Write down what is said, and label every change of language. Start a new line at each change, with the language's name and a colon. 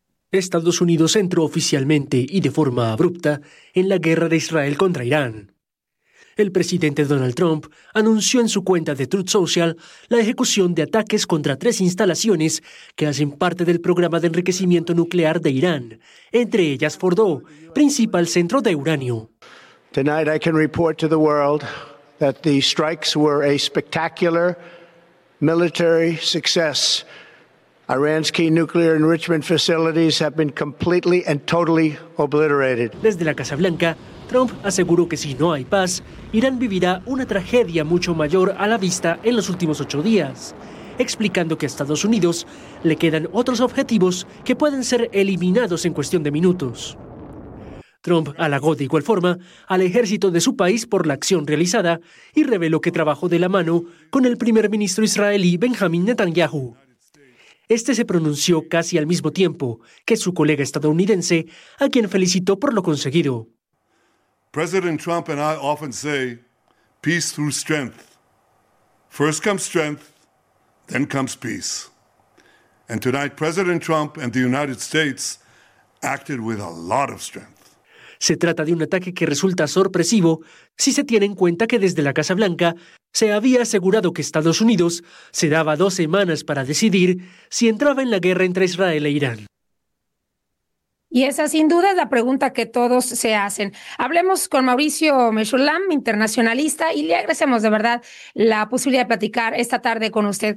Spanish: Estados Unidos entró oficialmente y de forma abrupta en la guerra de Israel contra Irán. El presidente Donald Trump anunció en su cuenta de Truth Social la ejecución de ataques contra 3 instalaciones que hacen parte del programa de enriquecimiento nuclear de Irán, entre ellas Fordó, principal centro de uranio.
English: Tonight I can report to the world that the strikes were a spectacular military success. Iran's key nuclear enrichment facilities have been completely and totally obliterated.
Spanish: Desde la Casa Blanca, Trump aseguró que si no hay paz, Irán vivirá una tragedia mucho mayor a la vista en los últimos 8 días, explicando que a Estados Unidos le quedan otros objetivos que pueden ser eliminados en cuestión de minutos. Trump halagó de igual forma al ejército de su país por la acción realizada y reveló que trabajó de la mano con el primer ministro israelí Benjamin Netanyahu. Este se pronunció casi al mismo tiempo que su colega estadounidense, a quien felicitó por lo conseguido.
English: President Trump and I often say, peace through strength. First comes strength, then comes peace. And tonight, President Trump and the United States acted with a lot of strength.
Spanish: Se trata de un ataque que resulta sorpresivo si se tiene en cuenta que desde la Casa Blanca se había asegurado que Estados Unidos se daba 2 semanas para decidir si entraba en la guerra entre Israel e Irán. Y esa sin duda es la pregunta que todos se hacen. Hablemos con Mauricio Meshulam, internacionalista, y le agradecemos de verdad la posibilidad de platicar esta tarde con usted.